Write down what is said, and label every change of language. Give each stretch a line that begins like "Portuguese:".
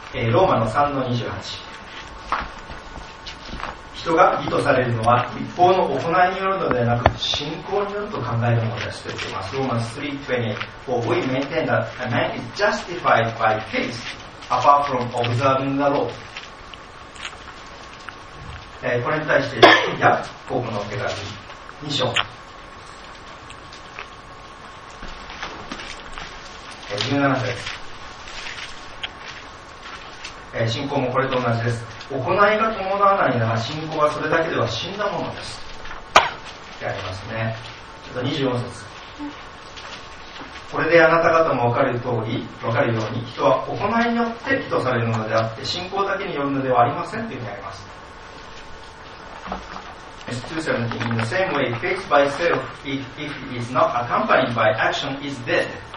Japanese: ローマの 3:28。人が義とされるのは律法の行いによるのではなく信仰によると考えるものですと言っています。
English: Romans 3:28 For we maintain that a man is justified by faith apart from observing the law.
Japanese: これに対してヤコブの手紙2章17節、信仰もこれと同じです。行いが伴わないなら信仰はそれだけでは死んだものです。ってありますね。ちょっと24節、これであなた方も分かるように人は行いによって義とされるのであって信仰だけによるのではありませんというふうにあります。
English: 2:17 In the same way, faith by itself, if it is not accompanied by action, is dead.